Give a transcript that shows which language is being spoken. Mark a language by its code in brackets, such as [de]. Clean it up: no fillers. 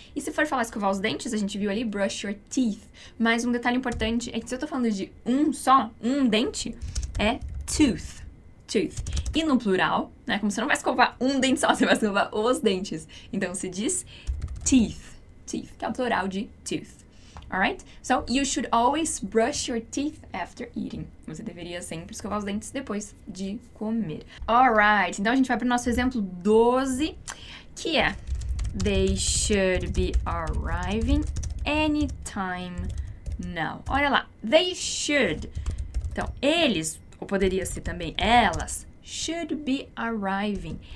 [pt] E se for falar escovar os dentes, a gente viu ali [en] brush your teeth. [pt] Mas um detalhe importante é que se eu tô falando de um só, um dente, é tooth. Tooth. E no plural, né, como você não vai escovar um dente só, você vai escovar os dentes. Então, se diz teeth. Teeth, que é o plural de tooth. Alright? [en] So, you should always brush your teeth after eating. [pt] Você deveria sempre escovar os dentes depois de comer. Alright, então a gente vai para o nosso exemplo 12, que é [en] they should be arriving anytime now. [pt] Olha lá, they should. Então, eles, ou poderia ser também elas, should be arriving.